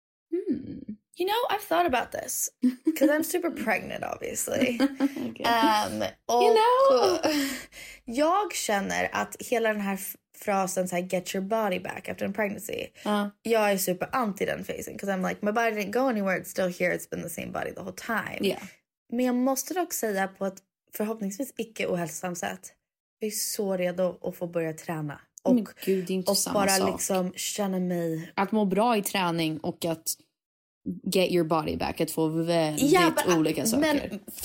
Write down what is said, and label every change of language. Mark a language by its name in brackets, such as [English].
[English] Hmm. You know, I've thought about this. Because I'm super pregnant, obviously. Okay. [Swedish] Och, [English] you know? [Swedish] Jag känner att hela den här frasen så här, [English] get your body back after a pregnancy. [Swedish] Jag är super anti den phasen. [English] Because I'm like, my body didn't go anywhere. It's still here. It's been the same body the whole time. Yeah. [Swedish] Men jag måste dock säga på ett förhoppningsvis icke ohälsosamt sätt. Jag är så redo att få börja träna. Och, men gud, det är inte och samma bara sak. Liksom känna mig... Att må bra i träning och att [English] get your body back. [Swedish] Att få väldigt olika saker.